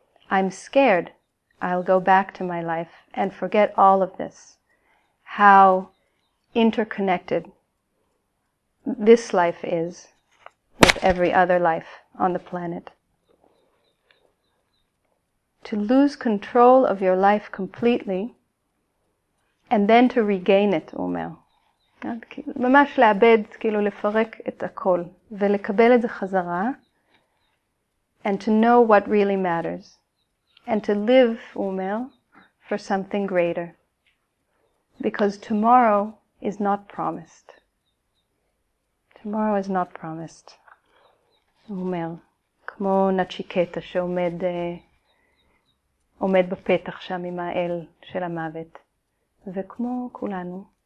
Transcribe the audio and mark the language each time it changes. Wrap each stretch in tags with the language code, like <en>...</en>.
<en>I'm scared I'll go back to my life and forget all of this, how interconnected this life is with every other life on the planet. To lose control of your life completely and then to regain it,</en> <he>הוא אומר. ממש לאבד, כאילו לפרק את הכל ולקבל את זה חזרה,</he> <en>and to know what really matters. And to live, Umel, for something greater. Because tomorrow is not promised. Tomorrow is not promised.</en> <he>Umel, כמו נצ'יקטה שעומד עומד בפתח שם עם האל של המוות. וכמו כולנו.</he>